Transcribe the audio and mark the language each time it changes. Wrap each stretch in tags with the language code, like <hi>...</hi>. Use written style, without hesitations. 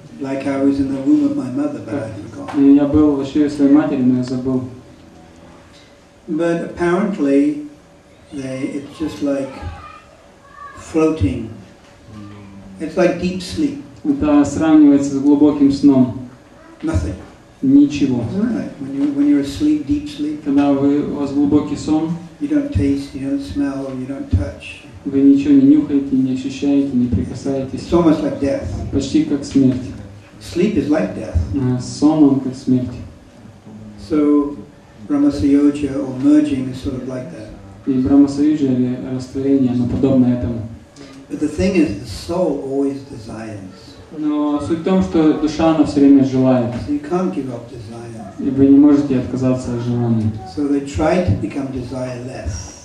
<en>Like I was in the womb of my mother, but I forgot.</en> <ru>И я был вообще у своей матери, но я забыл.</ru> <en>But apparently, it's just like floating. It's like deep sleep.</en> <ru>Это сравнивается с глубоким сном.</ru> <en>Nothing.</en> <ru>Ничего.</ru> <en>Right. When you're asleep, deep sleep.</en> <ru>Когда вы у вас глубокий сон.</ru> <en>You don't taste, you don't smell, you don't touch.</en> <ru>Вы ничего не нюхаете, не ощущаете, не прикасаетесь.</ru> <en>It's almost like death.</en> <ru>Почти как смерть.</ru> <en>Sleep is like death.</en> <ru>Сон он как смерть.</ru> <en>So, Brahma-саюджа or merging is sort of like that.</en> <ru>И Брахма-саюджа или растворение, оно подобно этому.</ru> <en>But the thing is, the soul always desires.</en> <ru>Но суть в том, что душа она все время желает.</ru> <en>So you can't give up desire.</en> <ru>И вы не можете отказаться от желания.</ru> <en>So they try to become desireless.</en>